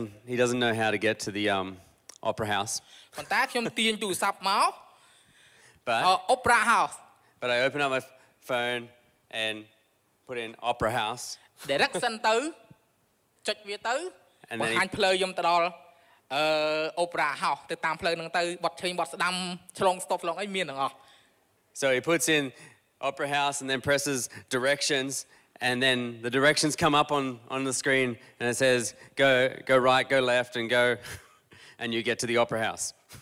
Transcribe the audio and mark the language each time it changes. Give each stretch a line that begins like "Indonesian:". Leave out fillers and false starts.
English: He doesn't know how to get to the opera house.
Khmer: But តែខ្ញុំទាញទូរស័ព្ទមក
English: opera house. But I open up my phone and put in opera house.
Khmer: Direction ទៅចុចវាទៅបង្ហាញផ្លូវខ្ញុំទៅដល់opera house ទៅតាមផ្លូវហ្នឹងទៅបត់ឆ្វេងបត់ស្ដាំឆ្លងស្ទប់ឆ្លងអីមានទាំងអស់
English: So he puts in opera house and then presses directions And then the directions come up on the screen and it says, go right, go left, and go, and you get to the opera house.